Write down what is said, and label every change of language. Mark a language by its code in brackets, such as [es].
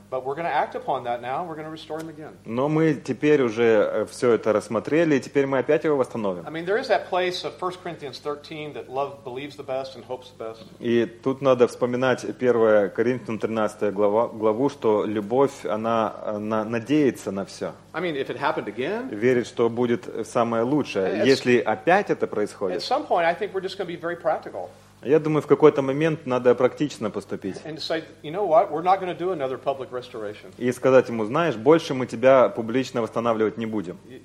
[en] But we're going to act upon that now, we're going to restore him again. [ru] Но мы теперь уже все это рассмотрели, и теперь мы опять его восстановим. [en] I mean, there is that place of 1 Corinthians 13 that love believes the best and hopes the best. [ru] И тут надо вспоминать 1 Коринфянам 13 главу, что любовь, она надеется на все. [en] I mean, if it happened again, [ru] верит, что будет самое лучшее. Если опять это происходит, [en] at some point, I think we're just going to be very practical. [ru] Я думаю, в какой-то момент надо практично поступить. И сказать ему, знаешь, больше мы тебя публично восстанавливать не будем.